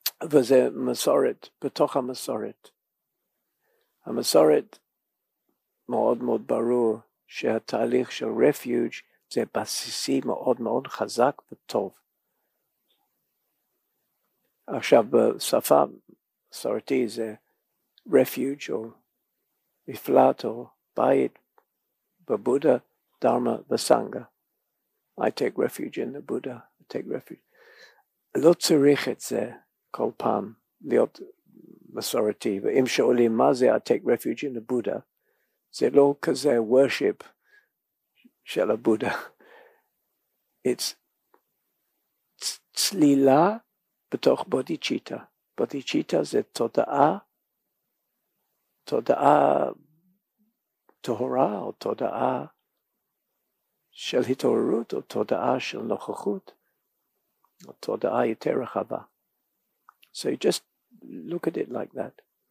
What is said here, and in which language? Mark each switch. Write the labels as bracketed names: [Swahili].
[Hebrew] וזה מסורת, בתוך המסורת. המסורת מאוד מאוד ברור שהתהליך של רפיוג' זה בסיסי מאוד מאוד חזק וטוב. עכשיו בשפה מסורתי זה רפיוג' או מפלט או בית, בבודה, דרמה וסנגה. [English] I take refuge in the Buddha, I take refuge. [Hebrew] לא צריך את זה כל פעם להיות מסורתי. ואם שואלים מה זה [English] I take refuge in the Buddha, [Hebrew] זה לא כזה worship של הבודה. It's צלילה בתוך בודיצ'יטה. בודיצ'יטה זה תודעה תהורה, או תודעה של התעוררות, או תודעה של נוכחות, או תודעה יותר רחבה. [English] So you just look at it like that.